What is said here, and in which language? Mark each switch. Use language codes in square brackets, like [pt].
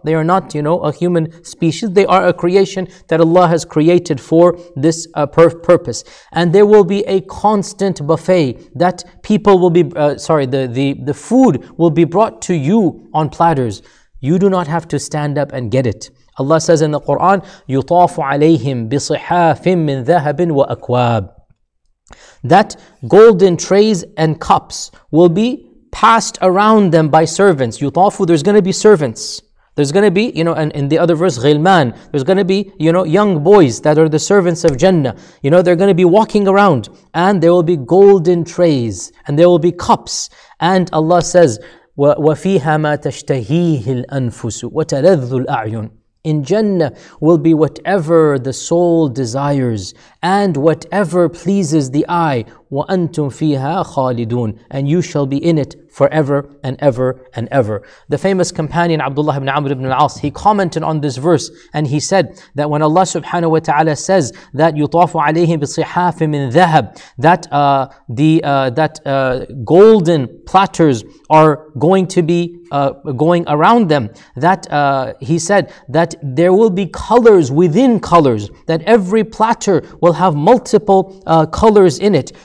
[en] They are not, you know, a human species. They are a creation that Allah has created for this purpose. And there will be a constant buffet that people will be, the food will be brought to you on platters. You do not have to stand up and get it. Allah says in the Quran, [ar] يُطَافُ عَلَيْهِمْ بِصِحَافٍ مِّن ذَهَبٍ وَأَكْوَابٍ. [en] That golden trays and cups will be passed around them by servants. يُطَافُ, there's going to be servants. There's going to be, you know, and in the other verse, غِلْمَان, there's going to be, you know, young boys that are the servants of Jannah. You know, they're going to be walking around and there will be golden trays and there will be cups. And Allah says, [ar] وَفِيهَا مَا تَشْتَهِيهِ الْأَنفُسُ وَتَلَذُّ الْأَعْيُنُ. [en] In Jannah will be whatever the soul desires and whatever pleases the eye. [ar] وَأَنْتُمْ فِيهَا خَالِدُونَ. [en] And you shall be in it forever and ever and ever. The famous companion Abdullah ibn Amr ibn al-As, he commented on this verse and he said that when Allah subhanahu wa ta'ala says that [ar] يُطَافُ عَلَيْهِمْ بِصِحَافٍ مِّن ذَهَبٍ, [en] that golden platters are going to be going around them, that he said that there will be colors within colors, that every platter will have multiple colors in it.